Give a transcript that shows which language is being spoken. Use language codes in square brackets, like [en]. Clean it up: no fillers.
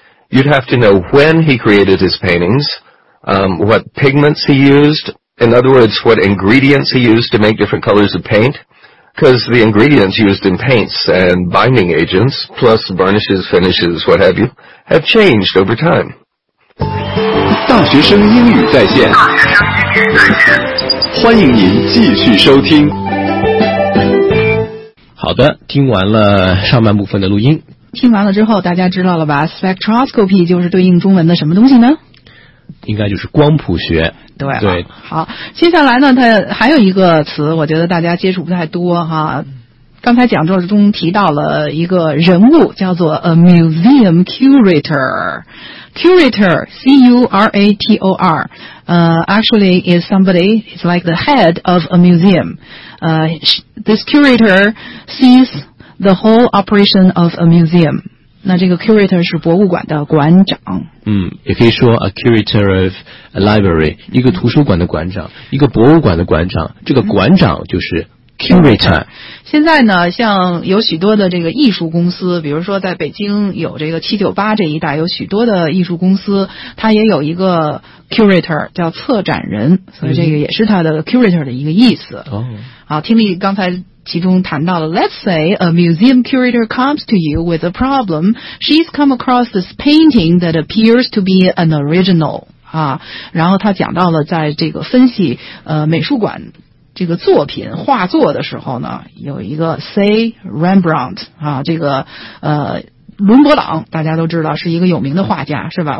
[en] You'd have to know when he created his paintings, what pigments he used, in other words, what ingredients he used to make different colors of paint, because the ingredients used in paints and binding agents, plus varnishes, finishes, what have you, have changed over time. [zh] 大学生英语在线，欢迎您继续收听。好的，听完了上半部分的录音。听完了之后，大家知道了吧 ？Spectroscopy 就是对应中文的什么东西呢？应该就是光谱学。对、啊、对，好，接下来呢，它还有一个词，我觉得大家接触不太多哈。刚才讲座中提到了一个人物，叫做 [en] a museum curator。 Curator, C-U-R-A-T-O-R, actually is somebody, he's like the head of a museum. This curator sees the whole operation of a museum. [zh] 那这个 curator 是博物馆的馆长。嗯，也可以说 [en] a curator of a library, [zh] 一个图书馆的馆长，一个博物馆的馆长，这个馆长就是Curator。现在呢，像有许多的这个艺术公司，比如说在北京有这个798这一带，有许多的艺术公司，它也有一个 curator 叫策展人，所以这个也是它的 curator 的一个意思。嗯、好，听力刚才其中谈到了 [en] Let's say a museum curator comes to you with a problem. She's come across this painting that appears to be an original、 [zh] 啊、然后他讲到了在这个分析、美术馆这个作品画作的时候呢，有一个 say Rembrandt 啊，这个伦勃朗大家都知道是一个有名的画家，是吧？